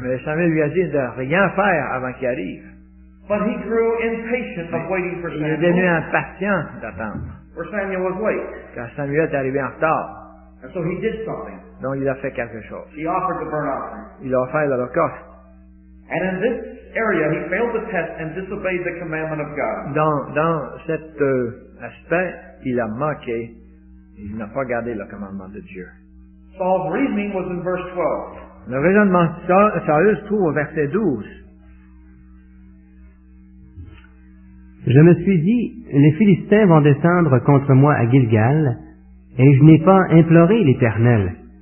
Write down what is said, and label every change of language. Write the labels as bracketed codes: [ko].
[fr] Mais Samuel lui a dit de rien faire avant qu'il arrive. [en] But he grew impatient of waiting for Samuel. [fr] Il est devenu impatient d'attendre. [en] For Samuel was late. [fr] Car Samuel est arrivé en retard. [en] And so he did something. [fr] Donc il a fait quelque chose. [en] He offered the burnt offering. [fr] Il a offert l'Holocauste. [en] And in this area, he failed the test and disobeyed the commandment of God. [fr] Dans cet aspect, il a manqué. Il n'a pas gardé le commandement de Dieu. [en] Saul's reasoning was in verse 12. [fr] Le raisonnement de Saül se trouve au verset 12. Je me suis dit, les Philistins vont descendre contre moi à Gilgal, et je n'ai pas imploré l'Éternel.